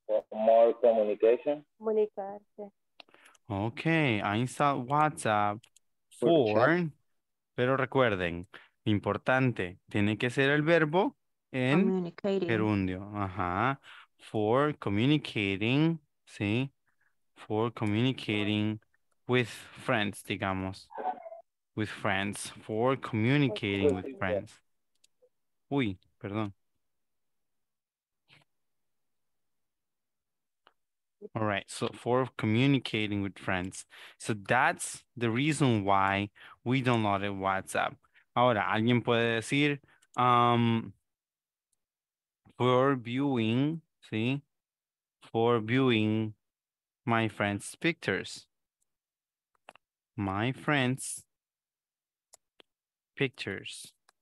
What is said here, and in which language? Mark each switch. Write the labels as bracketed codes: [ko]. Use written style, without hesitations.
[en] More communication. [es] Comunicarse. [en] Okay, I install WhatsApp for, [es] pero recuerden, importante, tiene que ser el verbo en gerundio. [en] Ajá, for communicating, sí, for communicating with friends, digamos, with friends, for communicating with friends. [es] Uy, perdón. [en] All right, so for communicating with friends. So that's the reason why we downloaded WhatsApp. [es] Ahora, alguien puede decir, [en] for viewing my friend's pictures. My friend's pictures.